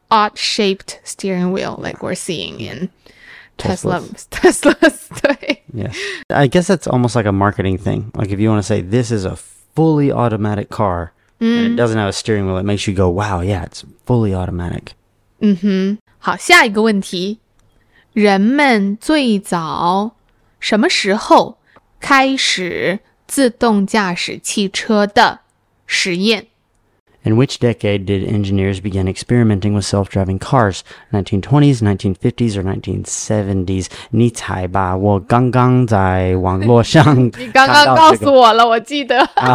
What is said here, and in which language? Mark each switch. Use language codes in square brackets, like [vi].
[en] odd-shaped steering wheel like we're seeing in Tesla's 对 yes. I guess that's almost like a marketing thing. Like if you want to say this is a fully automatic car、and it doesn't have a steering wheel, it makes you go, wow, yeah, it's fully automatic. [zh] 好下一个问题。人们最早什么时候开始自动驾驶汽车的实验 [en] In which decade did engineers begin experimenting with self-driving cars? 1920s, 1950s, or 1970s? [zh] 你猜吧，我刚刚在网络上看到这个。你刚刚告诉我了，我记得。